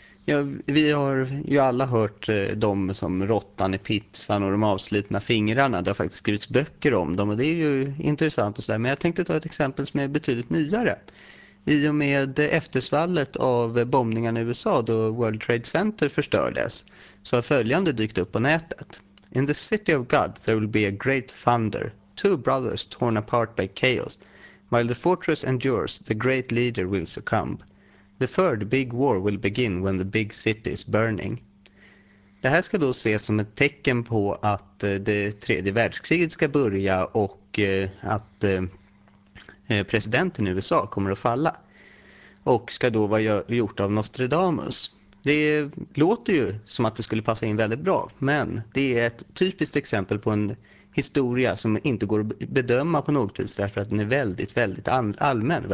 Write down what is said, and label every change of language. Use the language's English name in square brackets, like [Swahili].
[Swedish] Ja, vi har ju alla hört de som råttan i pizzan och de avslitna fingrarna. Det har faktiskt skrivits böcker om dem och det är ju intressant och sådär. Men jag tänkte ta ett exempel som är betydligt nyare. I och med eftersvallet av bombningarna i USA då World Trade Center förstördes så har följande dykt upp på nätet. [English] In the city of God there will be a great thunder. Two brothers torn apart by chaos. While the fortress endures the great leader will succumb. The third big war will begin when the big city is burning. [Swedish] Det här ska då ses som ett tecken på att det tredje världskriget ska börja och att presidenten i USA kommer att falla. Och ska då vara gjort av Nostradamus. Det låter ju som att det skulle passa in väldigt bra, men det är ett typiskt exempel på en historia som inte går att bedöma på något vis därför att den är väldigt, väldigt allmän.